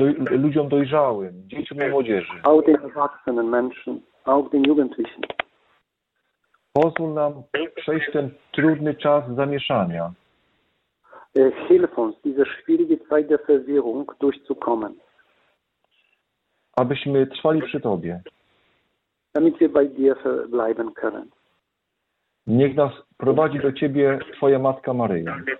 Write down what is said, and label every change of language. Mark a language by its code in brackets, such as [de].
[pl] Ludziom dojrzałym, dzieciom i młodzieży. [de] Auch den erwachsenen Menschen, auch den Jugendlichen. [pl] Pozwól nam przejść ten trudny czas zamieszania. [de] Hilf uns, diese schwierige Zeit der Verwirrung durchzukommen. [pl] Abyśmy trwali przy Tobie. [de] Damit wir bei dir bleiben können. [pl] Niech nas prowadzi do Ciebie Twoja Matka Maryja.